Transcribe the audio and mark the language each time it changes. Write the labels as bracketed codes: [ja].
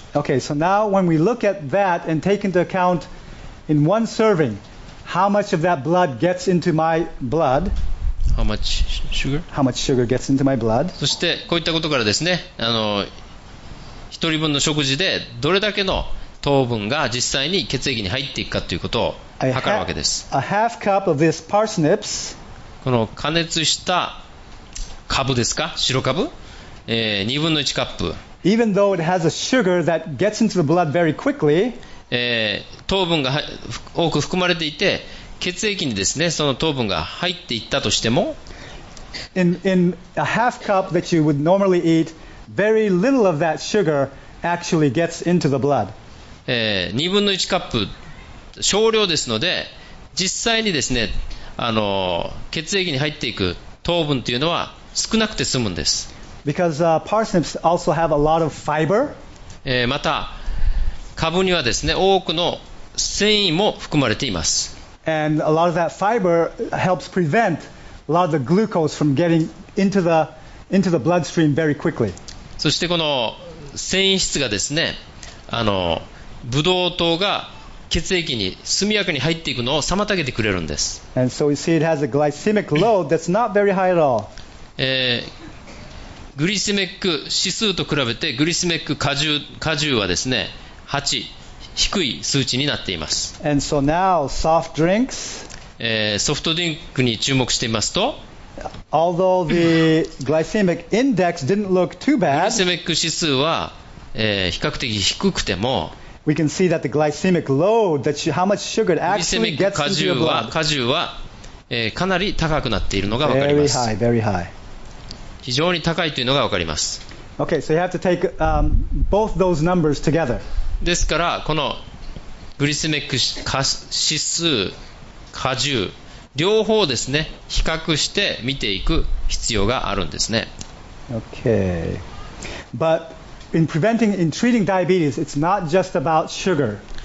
[en] Okay, so now when we look at that and take into account in one serving,How much of that blood gets into my blood? How much sugar gets into my blood? [ja] そしてこういったことからですね、一人分の食事でどれだけの糖分が実際に血液に入っていくかということを測るわけです。 [en] A half cup of this parsnips. [ja] この加熱したカブですか、白カブ、2分の1カップ。 [en] Even though it has a sugar that gets into the blood very quickly. [ja] 糖分が多く含まれていて血液にですねその糖分が入っていったとしても [en] in a half cup that you would normally eat very little of that sugar actually gets into the blood [ja] 2分の1カップ少量ですので実際にですね血液に入っていく糖分というのは少なくて済むんです [en] because parsnips also have a lot of fiber [ja] またカブにはですね、多くの繊維も含まれています。 [en] And a lot of that fiber helps prevent a lot of the glucose from getting into the bloodstream very quickly. [ja] そしてこの繊維質がですね、ブドウ糖が血液に速やかに入っていくのを妨げてくれるんです。 [en] And so we see it has a glycemic load that's not very high at all. [ja] グリセミック指数と比べてグリセミック荷重はですね、8低い数値になっています。 [en] And so now, soft drinks, [ja] ソフトドリンクに注目してみますと、 [en] although the glycemic index didn't look too bad, [ja] グリセミック指数は、比較的低くても、 [en] we can see that the glycemic load, that how much sugar it actually gets into your blood, [ja] グリセミック荷重は、かなり高くなっているのがわかります。 [en] Very high, very high. [ja] 非常に高いというのがわかります。 [en] Okay, so you have to take both those numbers together. [ja] ですからこのグリセミック指数、荷重両方ですね比較して見ていく必要があるんですね。 [en] Okay, but in preventing, in treating diabetes, it's not just about sugar.